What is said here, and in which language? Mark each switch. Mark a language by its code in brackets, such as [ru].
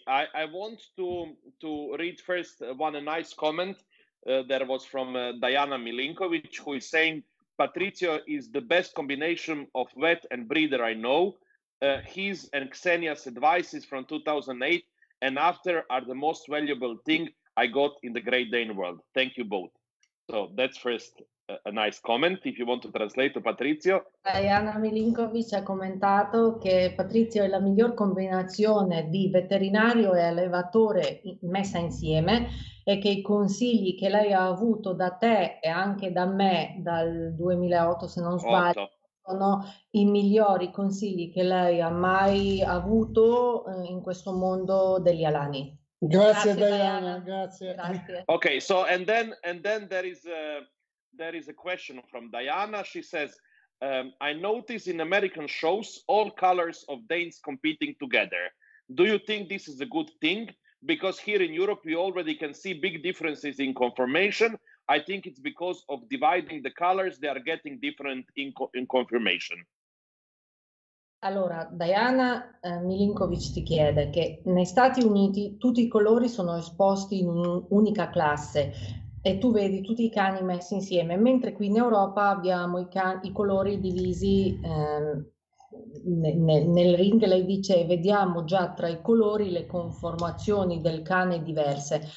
[en] I want to read first one a nice comment that was from Diana Milinkovic, who is saying, Patrizio is the best combination of vet and breeder I know. His and Xenia's advices from 2008 and after are the most valuable thing I got in the Great Dane world. Thank you both. So that's first a nice comment, if you want to translate to Patrizio. [it] Diana Milinkovic ha commentato che Patrizio è la miglior combinazione di veterinario e allevatore messa insieme e che i consigli che lei ha avuto da te e anche da me dal 2008, se non sbaglio, 8. Sono i migliori consigli che lei ha mai avuto in questo mondo degli alani. Grazie, Diana. [en] Okay, so and then there is a question from Diana. She says, I notice in American shows all colors of Danes competing together. Do you think this is a good thing? Because here in Europe we already can see big differences in conformation. I think it's because of dividing the colors they are getting different in conformation. [it] Allora, Diana Milinkovic ti chiede che negli Stati Uniti tutti i colori sono esposti in un'unica classe e tu vedi tutti i cani messi insieme, mentre qui in Europa abbiamo i colori divisi nel ring, lei dice, vediamo già tra i colori le conformazioni del cane diverse.